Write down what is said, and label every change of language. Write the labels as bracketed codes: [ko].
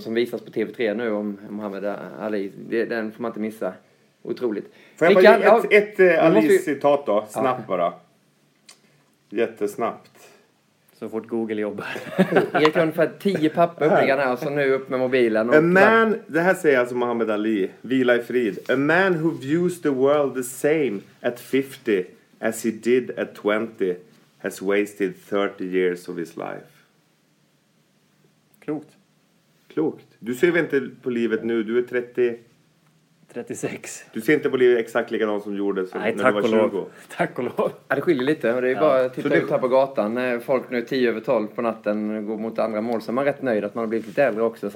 [sv] Som visas på TV3 nu om Muhammad Ali. Den får man inte missa. Otroligt. Får jag bara ge ett Ali-citat då? Snabbt bara. Jättesnabbt. Så fort Google jobbar. Erik har ungefär 10 papper uppliggande här. Alltså nu upp med mobilen. Och man, det här säger alltså Muhammad Ali. Vila i frid. [en] A man who views the world the same at 50 as he did at 20 has wasted 30 years of his life. [sv] Klokt. Klokt. Du ser väl inte på livet nu. Du är 30... 36. Du ser inte på livet exakt lika någon som gjorde så. Nej, när du var 20. Tack och lov. Ja, det skiljer lite. Det är bara att titta ut här på gatan. Folk nu är 10 över 12 på natten och går mot andra mål. Så man är rätt nöjd att man har blivit lite äldre också.